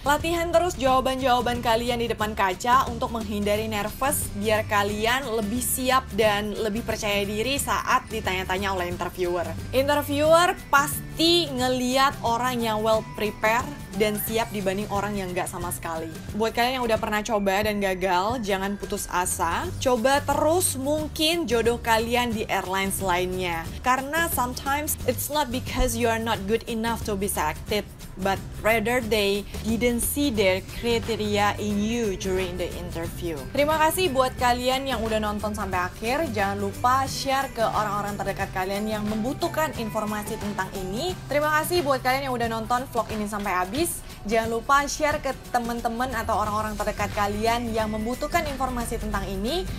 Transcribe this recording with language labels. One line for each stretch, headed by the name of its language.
Indonesian: Latihan terus jawaban-jawaban kalian di depan kaca untuk menghindari nervous, biar kalian lebih siap dan lebih percaya diri saat ditanya-tanya oleh interviewer. Interviewer pasti pasti ngelihat orang yang well prepared dan siap dibanding orang yang gak sama sekali. Buat kalian yang udah pernah coba dan gagal, jangan putus asa. Coba terus mungkin jodoh kalian di airlines lainnya. Karena
English: sometimes it's not because you are not good enough to be selected, but rather they didn't see their criteria in you during the interview.
Indonesian: Terima kasih buat kalian yang udah nonton sampai akhir. Jangan lupa share ke orang-orang terdekat kalian yang membutuhkan informasi tentang ini. Terima kasih buat kalian yang udah nonton vlog ini sampai habis. Jangan lupa share ke teman-teman atau orang-orang terdekat kalian yang membutuhkan informasi tentang ini.